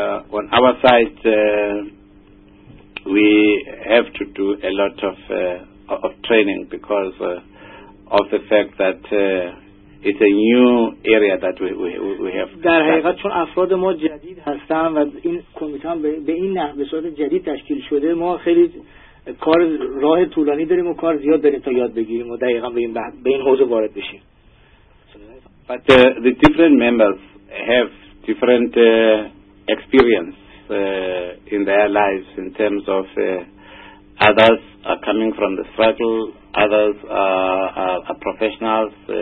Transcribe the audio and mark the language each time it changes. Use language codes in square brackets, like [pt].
[en] On our side, we have to do a lot of training because of the fact that it's a new area that we have. [fa] در حقیقت چون افراد ما جدید هستن و این کمیته به این نحو به صورت جدید تشکیل شده، ما خیلی کار راه طولانی داریم و کار زیاد داریم تا یاد بگیریم و دقیقاً به این حوزه وارد بشیم. [en] But the different members have different experience in their lives in terms of others are coming from the struggle, others are professionals.